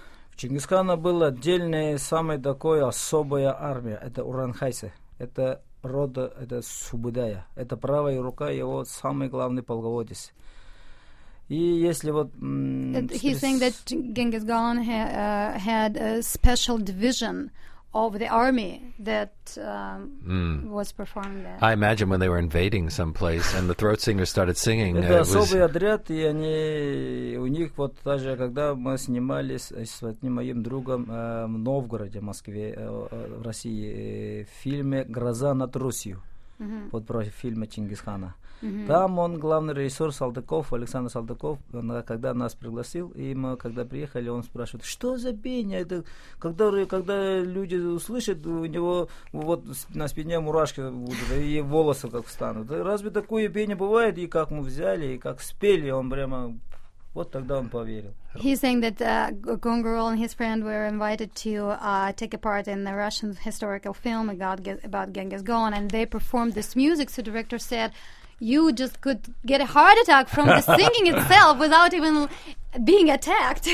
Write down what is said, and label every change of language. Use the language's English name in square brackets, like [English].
[Russian] В Чингисхана была отдельная самая такой особая армия, это уранхайцы. Это рода, это Субудая. Это правая рука его самый главный полководец. И если вот [English] he's saying that Genghis Khan had a special division of the army that was performing that. I imagine when they were invading some place and the throat singer started singing. [Russian] Это особый отряд, и они у них вот даже когда мы снимались с одним моим другом в Новгороде, Москве, в России фильме «Гроза над Русью». Mm-hmm. Вот про фильмы Чингисхана. Mm-hmm. Там он главный режиссер Салтыков, Александр Салтыков, он, когда нас пригласил, и мы когда приехали, он спрашивает, что за пение? Это когда люди услышат, у него вот на спине мурашки будут, и волосы как встанут. Разве такое пение бывает? И как мы взяли, и как спели, он прямо... Вот тогда он поверил. [English] He's saying that Gongorol and his friend were invited to take a part in the Russian historical film about Genghis Khan, and they performed this music. So the director said, "You just could get a heart attack from the singing itself without even being attacked."